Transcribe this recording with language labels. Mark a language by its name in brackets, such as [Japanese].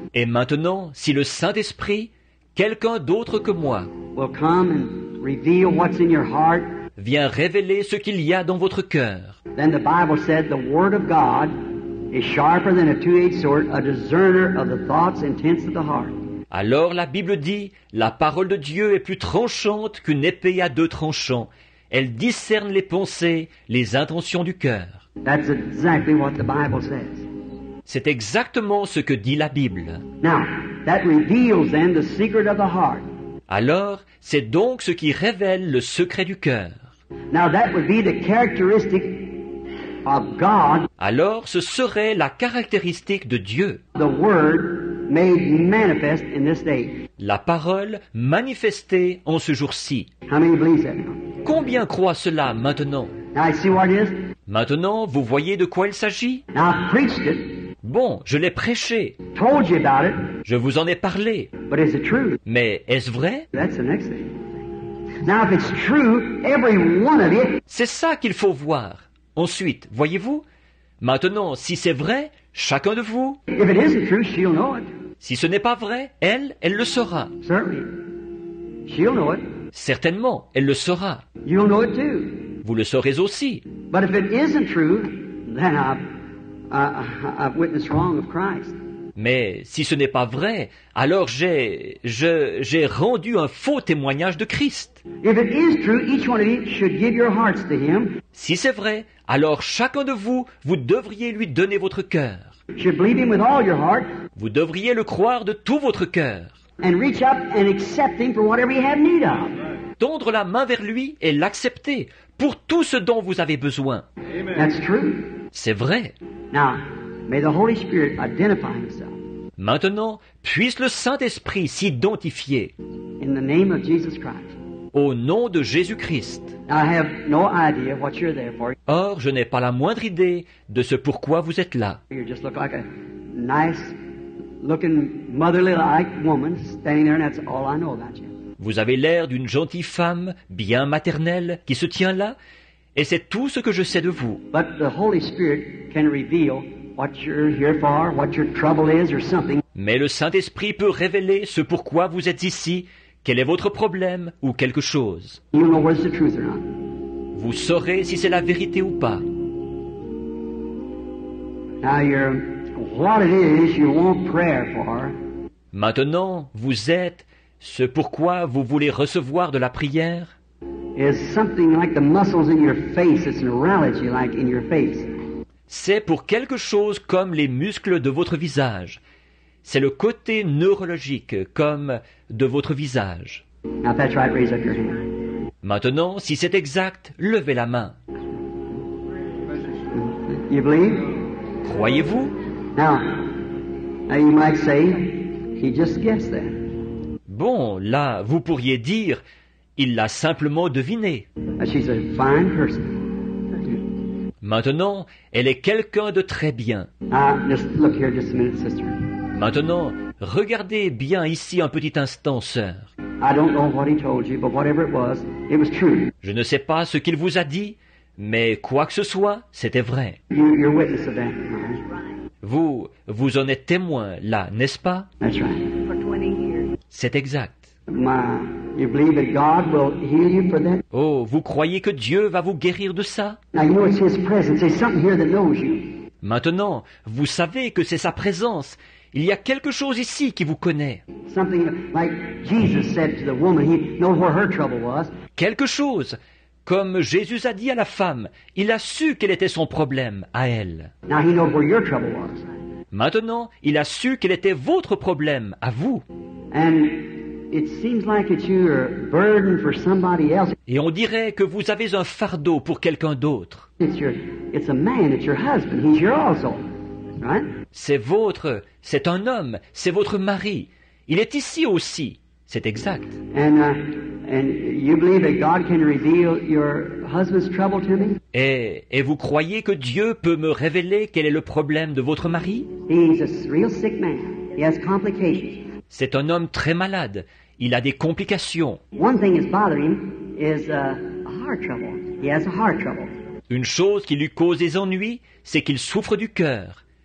[French] et maintenant, si le Saint-Esprit, quelqu'un d'autre que moi, [English] will come and reveal what's in your heart, [French] vient révéler ce qu'il y a dans votre cœur, [English] then the Bible said the Word of God is sharper than a two-edged sword, a discerner of the thoughts and intents of the heart. [French] Alors la Bible dit, la parole de Dieu est plus tranchante qu'une épée à deux tranchants. Elle discerne les pensées, les intentions du cœur. [English] That's exactly what the Bible says. [French] C'est exactement ce que dit la Bible. [English] Now, that reveals then the secret of the heart. [French] Alors, c'est donc ce qui révèle le secret du cœur. [English] Now that would be the characteristic of God. [French] Alors, ce serait la caractéristique de Dieu. [English] The word made manifest in this day. [French] La parole manifestée en ce jour-ci. [English] How many believe that? [French] Combien croient cela maintenant? [English] Now, I see what it is. [French] Maintenant, vous voyez de quoi il s'agit? [English] Now, I preached it. [French] Bon, je l'ai prêché. [English] Told you about it. [French] Je vous en ai parlé. [English] But is it true? [French] Mais est-ce vrai? [English] That's the next thing. Now, if it's true, every one of you... [French] C'est ça qu'il faut voir. Ensuite, voyez-vous, maintenant, si c'est vrai, chacun de vous, [English] if it isn't true, she'll know it. [French] Si ce n'est pas vrai, elle le saura. [English] Certainly. She'll know it. [French] Certainement, elle le saura. [English] You'll know it too. [French] Vous le saurez aussi. [English] But if it isn't true, then I've witnessed wrong of Christ. [French] Mais si ce n'est pas vrai, alors j'ai rendu un faux témoignage de Christ. [English] If it is true, each one of you should give your hearts to him. [French] Si c'est vrai, alors chacun de vous, vous devriez lui donner votre cœur. [English] You should believe him with all your heart. [French] Vous devriez le croire de tout votre cœur. [English] And reach up and accept him for whatever you have need of. [French] Tendre la main vers lui et l'accepter pour tout ce dont vous avez besoin. [English] Amen. That's true. [French] C'est vrai. [English] Now, may the Holy Spirit identify himself. [French] Maintenant, puisse le Saint-Esprit s'identifier. [English] In the name of Jesus Christ. [French] Au nom de Jésus-Christ. [English] I have no idea what you're there for. [French] Or, je n'ai pas la moindre idée de ce pourquoi vous êtes là. [English] You just look like a nice looking motherly-like woman standing there, and that's all I know about you. [French] Vous avez l'air d'une gentille femme, bien maternelle, qui se tient là, et c'est tout ce que je sais de vous. [English] But the Holy Spirit can reveal what you're here for, what your trouble is, or something. [French] Mais le Saint-Esprit peut révéler ce pourquoi vous êtes ici, quel est votre problème ou quelque chose. [English] You know whether it's the truth or not. [French] Vous saurez si c'est la vérité ou pas. [English] Now you're what it is you want prayer for. [French] Maintenant, vous êtes ce pourquoi vous voulez recevoir de la prière. [English] Is something like the muscles in your face, it's neurology like in your face. [French] C'est pour quelque chose comme les muscles de votre visage. C'est le côté neurologique comme de votre visage. [English] Now, if that's right, raise up your hand. [French] Maintenant, si c'est exact, levez la main. [English] You believe? [French] Croyez-vous? [English] Now you might say, he just guessed that. [French] Bon, là, vous pourriez dire, il l'a simplement deviné. [English] She's a fine person. [French] Maintenant, elle est quelqu'un de très bien. [English] Just look here just a minute, sister. [French] Maintenant, regardez bien ici un petit instant, sœur. [English] I don't know what he told you, but whatever it was true. [French] Je ne sais pas ce qu'il vous a dit, mais quoi que ce soit, c'était vrai. [English] You're a witness of that, right? [French] Vous en êtes témoin là, n'est-ce pas? [English] That's right. For 20 years. [French] C'est exact. [English] You believe that God will heal you for that? [French] Oh, vous croyez que Dieu va vous guérir de ça? [English] Now you know it's His presence. There's something here that knows you. [French] Maintenant, vous savez que c'est sa présence. Il y a quelque chose ici qui vous connaît. [English] Something like Jesus said to the woman, He knows where her trouble was. [French] Quelque chose, comme Jésus a dit à la femme, il a su quel était son problème à elle. [English] Now He knows where your trouble was. [French] Maintenant, il a su quel était votre problème à vous. [English] And it seems like it's your burden for somebody else. [French] Et on dirait que vous avez un fardeau pour quelqu'un d'autre. [English] It's a man, it's your husband, he's your also. Right? [French] C'est un homme, c'est votre mari. Il est ici aussi. C'est exact. [English] And you believe that God can reveal your husband's trouble to me? [French] Et vous croyez que Dieu peut me révéler quel est le problème de votre mari? [English] He's a real sick man. He has complications. [French] C'est un homme très malade. Il a des complications. [English] One thing is bothering him is a heart trouble. He has a heart trouble. [French] Une chose qui lui cause des ennuis, c'est qu'il souffre du cœur.